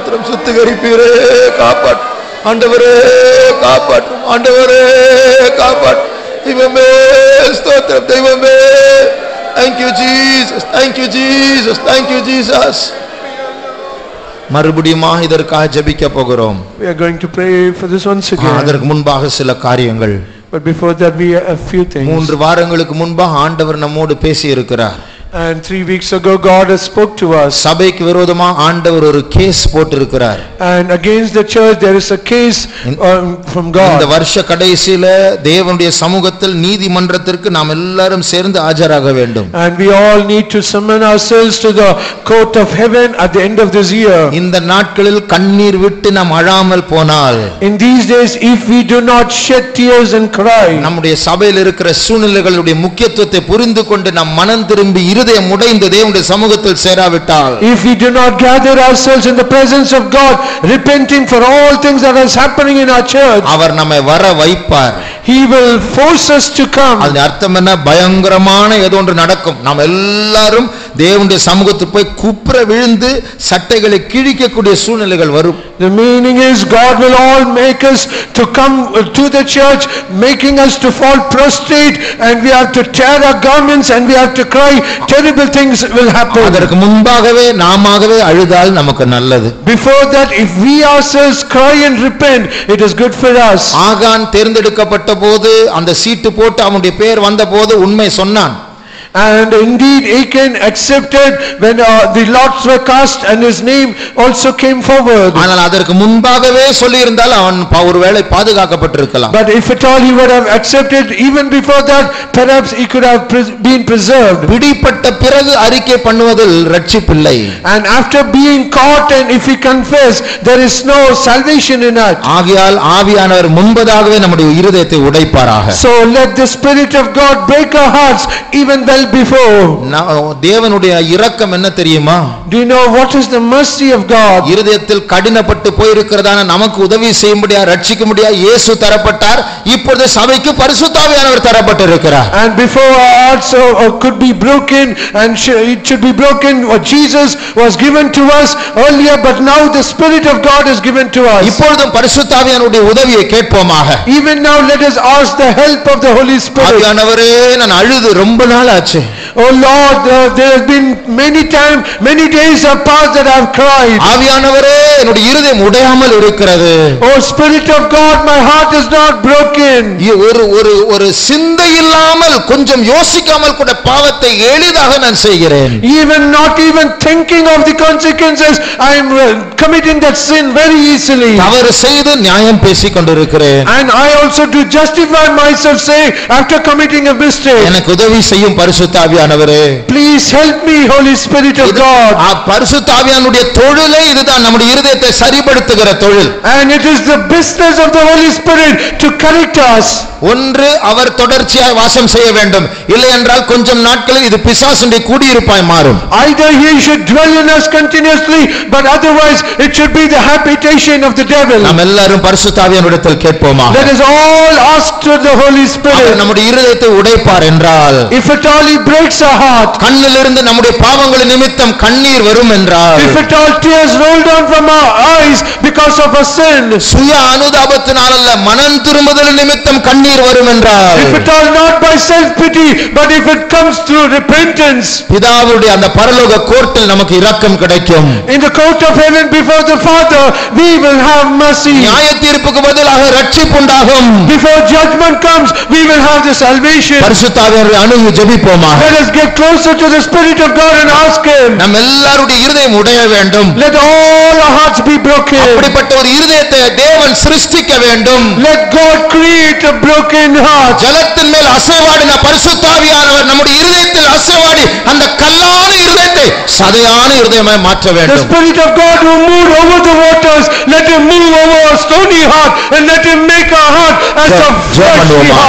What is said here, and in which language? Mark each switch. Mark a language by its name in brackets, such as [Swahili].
[Tamil] சுத்திகரிப்பீரே, காப்பாற்று ஆண்டவரே, காப்பாற்றும் ஆண்டவரே, காப்பாற்று தெய்வமே, ஸ்தோத்திரம் தெய்வமே. [English] Thank you Jesus, thank you Jesus, thank you Jesus. [Tamil] மறுபடியும் இதற்காக ஜெபிக்க போகிறோம். [English] We are going to pray for this once again. [Tamil] அதற்கு முன்பாக சில காரியங்கள். [English] But before that we have a few things. [Tamil] 3 வாரங்களுக்கு முன்பாக ஆண்டவர் நம்மோடு பேசி இருக்கிறார். [English] And 3 weeks ago God has spoke to us. [Tamil] சபைக்கு விரோதமாக ஆண்டவர் ஒரு கேஸ் போட்டிருக்கிறார். [English] And against the church there is a case from God. [Tamil] இந்த வருஷ கடைசியில தேவனுடைய சமூகத்தில் நீதிமன்றத்திற்கு நாம் எல்லாரும் சேர்ந்து ஆஜராக வேண்டும். [English] And we all need to summon ourselves to the court of heaven at the end of this year. [Tamil] இந்த நாட்களில் கண்ணீர் விட்டு நாம் அழாமல் போனால், [English] in these days if we do not shed tears and cry, [Tamil] நம்முடைய சபையில் இருக்கிற சூழ்நிலைகளுடைய முக்கியத்துவத்தை புரிந்துகொண்டு நாம் மனம் திரும்பி இருதயம் உடைந்து தேவனுடைய சமூகத்தில் சேராவிட்டால், [English] if we do not gather ourselves in the presence of God repenting for all things that are happening in our church, [Tamil] அவர் நம்மை வர வைப்பார். [English] he will force us to come. [Tamil] அதன் அர்த்தம் என்ன? பயங்கரமான ஏதோ ஒன்று நடக்கும். நாம் எல்லாரும் தேவனுடைய சமூகத்துக்கு போய் குப்புற விழுந்து சட்டைகளை கிழிக்கக்கூடிய சூழ்நிலைகள் வரும். [English] The meaning is God will all make us to come to the church, making us to fall prostrate, and we have to tear our garments and we have to cry. Terrible things will happen. [Tamil] அதற்கு முன்பாகவே நாமாகவே அழுதால் நமக்கு நல்லது. [English] Before that, if we ourselves cry and repent, it is good for us. [Tamil] ஆகான் தேர்ந்தெடுக்கப்பட்ட போது அந்த சீட்டு போட்டு அவனுடைய பெயர் வந்த போது உண்மை சொன்னான். [English] And indeed Achan accepted when the lots were cast and his name also came forward. [Tamil] ஆனால் அதற்கு முன்பாகவே சொல்லியிருந்தால் அவன் ஒருவேளை பாதுகாக்கப்பட்டிருக்கலாம். [English] But if at all he would have accepted even before that, perhaps he could have been preserved. [Tamil] பிடிபட்ட பிறகு அறிக்கை பண்ணுவதில் இரட்சிப்பில்லை. [English] And after being caught and if he confess, there is no salvation in us. [Tamil] ஆகையால் ஆவியானவர் முன்பதாகவே நம்முடைய இருதயத்தை உடைப்பாராக. [English] So let the spirit of God break our hearts even well before. [Tamil] தேவனுடைய இரக்கம் என்ன தெரியுமா? [English] Do you know what is the mercy of God? [Tamil] இருதயத்தில் கடினப்பட்டு போயிருக்கிறதான நமக்கு உதவி செய்ய முடியா ரட்சிக்க முடியா இயேசு தரப்பட்டார். இப்பொழுது சபைக்கு பரிசுத்தாவியானவர் தரப்பட்டிருக்கிறார். [English] And before our hearts could be broken and it should be broken, Jesus was given to us earlier, but now the spirit of God is given to us. [Tamil] இப்பொழுது பரிசுத்தாவியானவருடைய உதவியை கேட்போமாக. [English] Even now let us ask the help of the Holy Spirit. [Tamil] ஆவியானவரே நான் அழுது ரொம்ப [English] Oh Lord, there has been many times, many days have passed that I have cried. [Tamil] ஆவியானவரே என்னுடைய இருதயம் உடையாமல் இருக்கிறது. [English] Oh Spirit of God, my heart is not broken. [Tamil] ஒரு சிந்தை இல்லாமல் கொஞ்சம் யோசிக்காமல் கூட பாவத்தை எளிதாக நான் செய்கிறேன். [English] Even not even thinking of the consequences, I am committing that sin very easily. [Tamil] தவறு செய்து நியாயம் பேசிக் கொண்டிருக்கிறேன். [English] And I also do justify myself saying after committing a mistake. [Tamil] எனக்கு உதவி செய்யும் பரிசுத்தாவியானவரே. [English] Please help me, Holy Spirit of God. [Tamil] பரிசுத்தாவியானுடைய தொழிலே இதுதான், நம்முடைய இருதயத்தை சரிபடுத்துகிற தொழில். [English] And it is the business of the Holy Spirit to correct us. [Tamil] ஒன்று, அவர் தொடர்ச்சியாய் வாசம் செய்ய வேண்டும். இல்லை என்றால் கொஞ்சம் நாட்களில் இது பிசாசுடைய குடியிருப்பாய் மாறும். [English] Either he should dwell in us continuously, but otherwise it should be the habitation of the devil. [Tamil] நாம் எல்லாரும் பரிசுத்தாவியானவரிடத்தில் கேட்போமா. [English] Let us all ask to the Holy Spirit. [Tamil] நம்முடைய இருதயத்தை உடைப்பார் என்றால், [English] if at all he breaks our heart, [Tamil] கண்ணிலிருந்து நம்முடைய பாவங்களின் நிமித்தம் கண்ணீர் வரும் என்றால், [English] if at all tears roll down from our eyes because of our sin, [Tamil] சுய அனுதாபத்தினால் அல்ல மனம் திரும்புதல் நிமித்தம் கண்ணீர் வரும் என்றால், [English] if at all not by self pity but if it comes through repentance, [Tamil] பிதாவுடைய அந்த பரலோக கோர்ட்டில் நமக்கு இரக்கம் கிடைக்கும். [English] In the court of heaven before the Father we will have mercy. [Tamil] நியாய தீர்ப்புக்கு பதிலாக இரட்சிப்பு உண்டாகும். [English] Before judgment comes we will have the salvation. [Tamil] பரிசுத்தாவியானவர் ஜெபிப்போமாக. [English] Let us get closer to the spirit of God and ask him. [Tamil] நம் எல்லாருடைய இருதயம் உடைய வேண்டும். [English] Let all our hearts be broken. [Tamil] அப்படிப்பட்ட ஒரு இருதயத்தை தேவன் சிருஷ்டிக்க வேண்டும். [English] Let God create a broken heart. [Tamil] ஜலத்தின் மேல் அசைவாடின பரிசுத்தாவியானவர் நம்முடைய இருதயத்தில் அசைவாடி அந்த கல்லான இருதயத்தை சதையான இருதயமாய் மாற்ற வேண்டும். [English] The spirit of God who moved over the waters, let him move over our stony heart and let him make our heart as a fleshy heart.